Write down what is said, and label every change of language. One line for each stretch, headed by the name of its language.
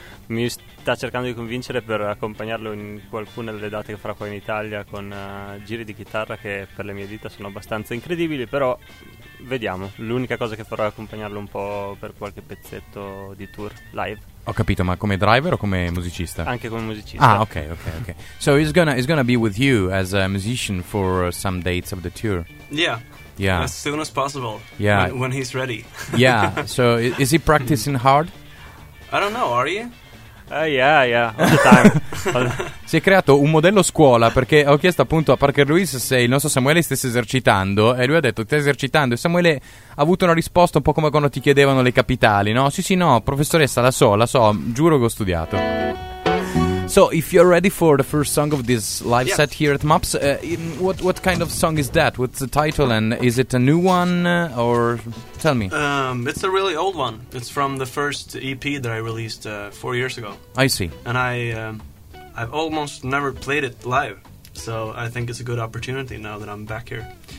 Italian: Mi sta cercando di convincere per accompagnarlo in qualcuna delle date che farà qua in Italia con giri di chitarra che per le mie dita sono abbastanza incredibili, però vediamo. L'unica cosa che farò è accompagnarlo un po' per qualche pezzetto di tour live. Ho capito, ma come driver o come musicista? Anche come musicista. Ah, ok.
English: So he's gonna be with you as a musician for some dates of the tour. Yeah. Yeah. As soon as possible. Yeah. When he's ready. Yeah. So is he practicing hard? I don't know, are you? Yeah, all the time.
Italian: Si è creato un modello scuola, perché ho chiesto appunto a Parker Lewis se il nostro Samuele stesse esercitando, e lui ha detto: stai esercitando. E Samuele ha avuto una risposta un po' come quando ti chiedevano le capitali, no? Sì, no, professoressa, la so, giuro che ho studiato.
English: So, if you're ready for the first song of this live yes. set here at MUPS, what kind of song is that? What's the title, and is it a new one, or tell me? It's a really old one. It's from the first EP that I released 4 years ago. I see. And I've almost never played it live, so I think it's a good opportunity now that I'm back here.